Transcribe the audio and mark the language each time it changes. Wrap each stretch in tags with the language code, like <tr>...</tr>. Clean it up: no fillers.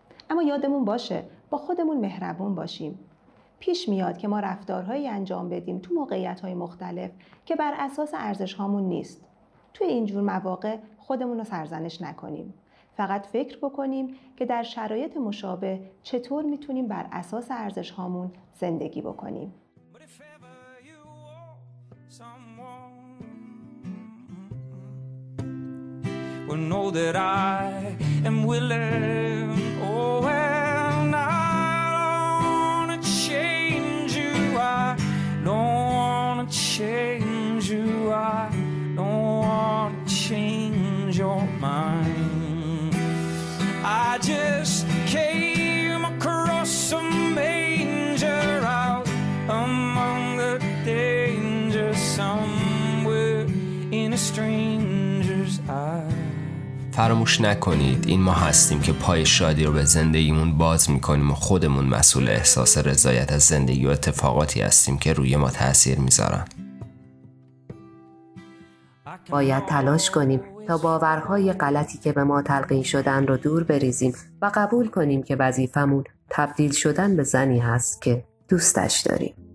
<fa>اما یادمون باشه با خودمون مهربون باشیم. پیش میاد که ما رفتارهایی انجام بدیم تو موقعیت‌های مختلف که بر اساس ارزشهامون نیست. توی اینجور مواقع خودمون رو سرزنش نکنیم. فقط فکر بکنیم که در شرایط مشابه چطور میتونیم بر اساس ارزشهامون زندگی بکنیم.</fa> <en>If ever you want someone, well, know that I am willing. Oh, and I don't want to change you. I don't want to change you. I don't want to change your mind. I just came across some manger out among the danger, somewhere in a stranger's eye.</en> <fa>فراموش نکنید این ما هستیم که پای شادی رو به زندگیمون باز میکنیم و خودمون مسئول احساس رضایت از زندگی و اتفاقاتی هستیم که روی ما تأثیر میذارن. باید تلاش کنیم تا باورهای غلطی که به ما تلقین شدن رو دور بریزیم و قبول کنیم که وظیفمون تبدیل شدن به زنی هست که دوستش داریم.</fa>